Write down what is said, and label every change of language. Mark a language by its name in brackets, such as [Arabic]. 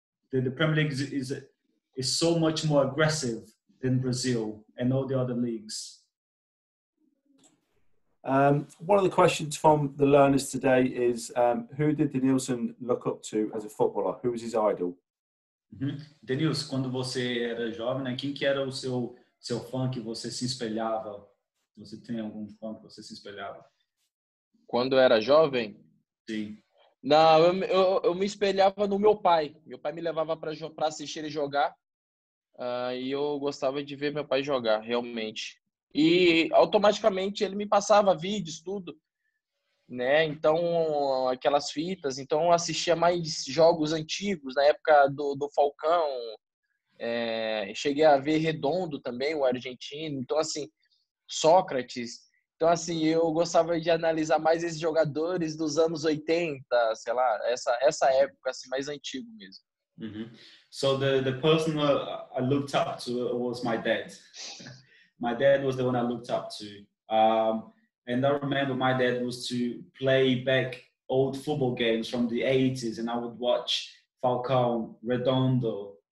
[English] The Premier League is so much more aggressive than Brazil and all the other leagues. One of the questions from the learners today is, who did Denilson look up to as a footballer? Who was his idol? Uhum. [Portuguese] Denilson, quando você era jovem, né, quem que era o seu fã que você se espelhava? Você tem algum fã que você se espelhava? Quando era jovem? Sim. Não, eu me espelhava no meu pai. Meu pai me levava para assistir ele jogar. E eu gostava de ver meu pai jogar, realmente. E automaticamente ele me passava vídeos, tudo, né? Então, aquelas fitas. Então, eu assistia mais jogos antigos, na época do Falcão. Cheguei a ver Redondo também, o argentino. Então, assim, Sócrates. Então, assim, eu gostava de analisar mais esses jogadores dos anos 80, sei lá, essa época, assim, mais antigo mesmo. Mm-hmm. [English] So, the person I looked up to was my dad. My dad was the one I looked up to. And I remember my dad was to play back old football games from the 80s, and I would watch Falcão, Redondo.